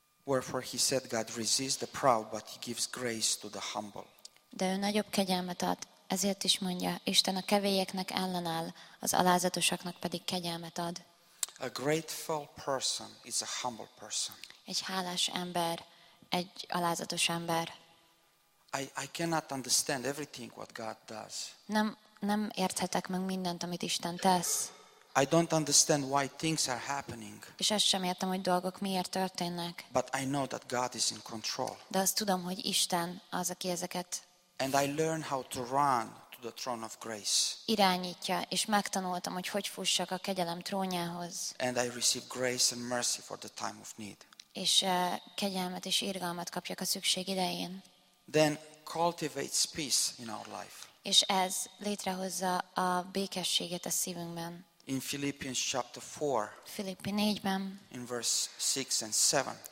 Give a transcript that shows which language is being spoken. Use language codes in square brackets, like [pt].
[en] Wherefore he said God resists the proud but he gives grace to the humble. [hu] De ő nagyobb kegyelmet ad, ezért is mondja, Isten a kevélyeknek ellenáll, az alázatosaknak pedig kegyelmet ad. [en] A grateful person is a humble person. [hu] Egy hálás ember, egy alázatos ember. [en] I cannot understand everything what God does. [hu] Nem érthetek meg mindent, amit Isten tesz. [en] I don't understand why things are happening. [hu] És azt sem értem, hogy dolgok miért történnek. [en] But I know that God is in control. [hu] De azt tudom, hogy Isten az, aki ezeket. [en] And I learn how to run to the throne of grace. [hu] Irányítja, és megtanultam, hogy hogy fussak a kegyelem trónjához. [en] And I receive grace and mercy for the time of need. [hu] És kegyelmet és irgalmat kapjak a szükség idején. [en] Then cultivates peace in our life. [hu] És ez létrehozza a békességet a szívünkben. [en] In Philippians chapter 4. [hu] Filippi 4-ben. [en] In verse 6 and 7.